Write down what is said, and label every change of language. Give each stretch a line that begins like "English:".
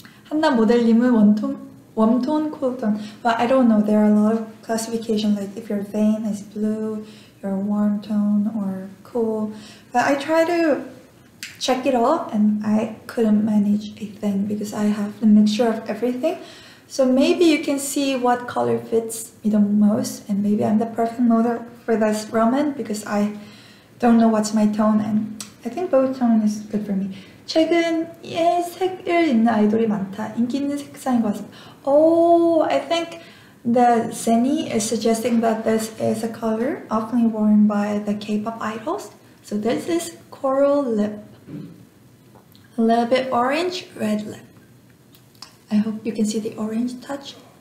Korean: 한나 모델님은 웜톤, 쿨톤.
English: But I don't know, there are a lot of classification, like if your vein is blue, your warm tone or cool. But I try to check it all and I couldn't manage a thing because I have the mixture of everything. So maybe you can see what color fits me the most, and maybe I'm the perfect model for this Roman because I don't know what's my tone, and I think both tone is good for me.
Korean: 최근 예색을 입는 아이돌이 많다. 인기 있는 색상인 것 같습니다.
English: Oh, I think the Zenny is suggesting that this is a color often worn by the K-pop idols. So this is coral lip. A little bit orange, red lip. I hope you can see the orange touch.